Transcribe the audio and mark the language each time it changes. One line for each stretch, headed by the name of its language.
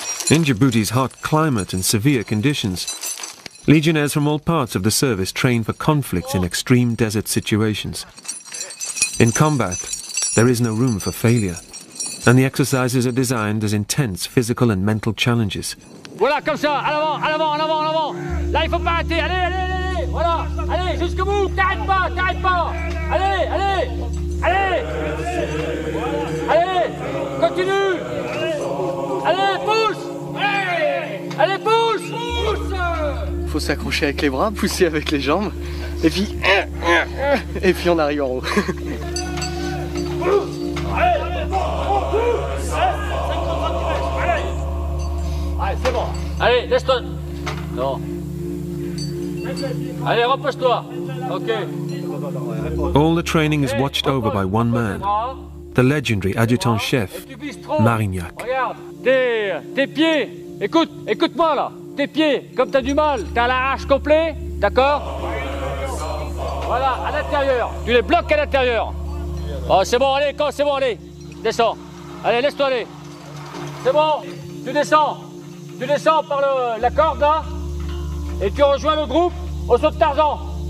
English: In Djibouti's hot climate and severe conditions, Legionnaires from all parts of the service train for conflict in extreme desert situations. In combat, there is no room for failure, and the exercises are designed as intense physical and mental challenges.
French: Voilà, comme ça, à l'avant, à l'avant, à l'avant, à l'avant. Là, il faut pas arrêter. Allez, allez, allez, allez. Voilà. Allez, jusqu'au bout. T'arrêtes pas, t'arrêtes pas. Allez, allez, allez. Allez, continue. Allez, pousse. Allez, pousse. Il faut s'accrocher avec les bras, pousser avec les jambes, et puis on arrive en haut. Allez, c'est bon. Allez, laisse-toi. Non. Allez, repose-toi. Ok.
English: All the training is watched over by one man, the legendary adjutant-chef, Marignac.
French: Regarde, tes pieds. Écoute-moi là. Tes pieds, comme t'as du mal, t'as la hache complète, d'accord? Voilà, à l'intérieur, tu les bloques à l'intérieur. Oh, c'est bon, allez, quand c'est bon, allez, descends. Allez, laisse-toi aller. C'est bon, tu descends. Tu descends par la corde, là, et tu rejoins le groupe au saut de Tarzan.